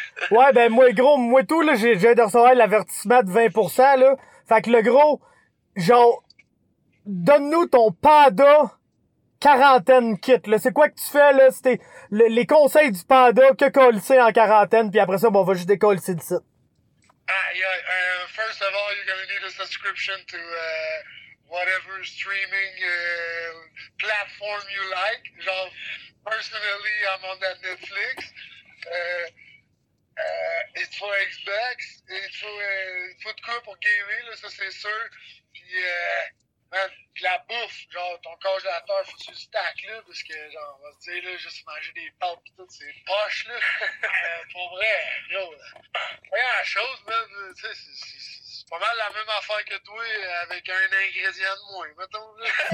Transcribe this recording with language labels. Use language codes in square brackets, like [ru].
[fr] Ouais, ben moi, gros, moi tout, là, j'ai viens de recevoir l'avertissement de 20%, là. Fait que le gros, genre. Donne-nous ton panda quarantaine kit, là. C'est quoi que tu fais, là? C'était les conseils du panda que colisser en quarantaine, puis après ça, bon, on va juste décolisser de ça. [en] Ah, yeah, first of all, you're gonna need a subscription to, whatever streaming, platform you like. Genre, personally, I'm on that Netflix. [fr] Il faut Xbox, il faut de quoi pour gamer, là, ça c'est sûr. Puis, man, de la bouffe, genre, ton congélateur, faut que tu le stack, là, parce que, genre, on va se dire, là, juste manger des pâtes pis tout, c'est poche, là. pour vrai, yo, là. Première chose, man, tu sais, c'est pas mal la même affaire que toi, avec un ingrédient de moins, mettons, là.